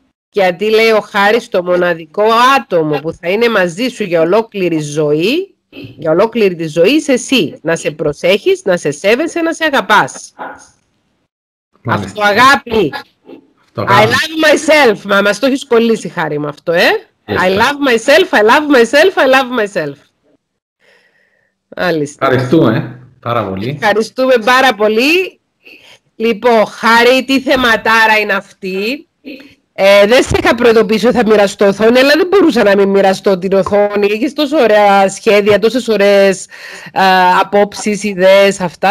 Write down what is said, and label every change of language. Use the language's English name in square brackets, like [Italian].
[Greek] Γιατί λέει ο Χάρης, το μοναδικό άτομο που θα είναι μαζί σου για ολόκληρη ζωή, για ολόκληρη τη ζωή, είσαι εσύ. Να σε προσέχεις, να σε σέβεσαι, να σε αγαπάς. Μάλιστα. Αυτοαγάπη. [English] I love myself. [Greek] Μα μας το έχεις κολλήσει, Χάρη, με αυτό, ε. Είσαι. [English] I love myself, I love myself, I love myself. [Greek] Άλιστα. Ευχαριστούμε πάρα πολύ. Ευχαριστούμε πάρα πολύ. Λοιπόν, Χάρη, τι θεματάρα είναι αυτή. Δεν σε είχα προειδοποιήσει ότι θα μοιραστώ οθόνη, αλλά δεν μπορούσα να μην μοιραστώ την οθόνη. Έχεις τόσο ωραία σχέδια, τόσες ωραίες απόψεις, ιδέες, αυτά.